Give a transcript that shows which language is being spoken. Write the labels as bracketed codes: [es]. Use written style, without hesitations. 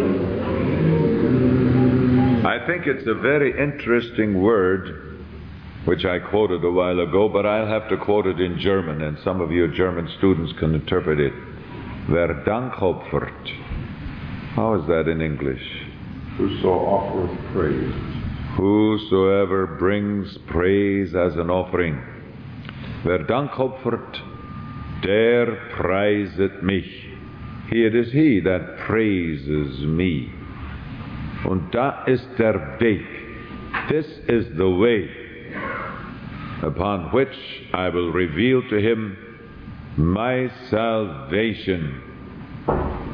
[en] I think it's a very interesting word which I quoted a while ago, but I'll have to quote it in German, and some of you German students can interpret it. [de] Wer Dankopfert. [en] How is that in English? Whoso offereth praise. Whosoever brings praise as an offering. [de] Wer Dankopfert, der preiset mich. [en] He it is he that praises me. [de] Und da ist der Weg. [en] This is the way upon which I will reveal to him my salvation.